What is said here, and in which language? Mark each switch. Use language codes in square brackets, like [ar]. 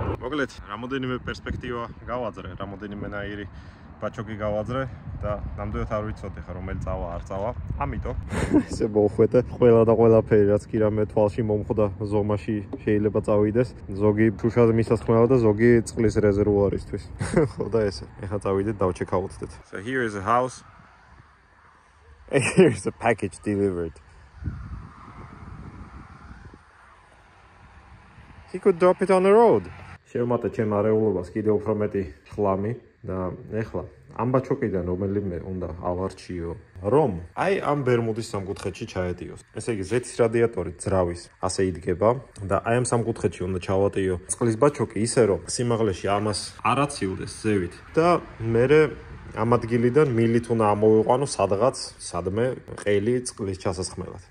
[ka] მოკლედ, რამოდენიმე პერსპექტივა გავაძრე, რამოდენიმე ნაირი ბაჩოკი გავაძრე და ნამდვილად არ ვიცოდი ხა რომელი წავა არ წავა. ამიტომ ესე მოხვედა ყველა და ყველაფერი რაც კი რა მე თვალში მომხვდა ზომაში შეიძლება წავიდეს. ზოგი ფუშაზე მისასხმელად და ზოგი წყლის რეზერვუარისთვის. ხო და ესე. ეხა წავიდეთ დავჩეკავოთეთ. [en] So here is a house. And here is a package delivered. He could drop it on the road. [ka] შევმატე ჩემ არეულობას კიდე უფრო მეტი ხლამი და ეხლა ამ ბაჩოკიდან რომელი მე უნდა ავარჩიო რომ აი ამ ბერმუდის სამკუთხედში ჩაედიოს. ესე იგი ზეთის რადიატორი ძრავის ასე იდგება და აი ამ სამკუთხედში უნდა ჩავატიო წყლის ბაჩოკი ისე რომ სიმაღლეში ამას არაციულდეს ზევით და მერე ამ ადგილიდან მილით უნდა ამოვიყვანო სადღაც სადმე ყელი წყლის ჩასასხმელად.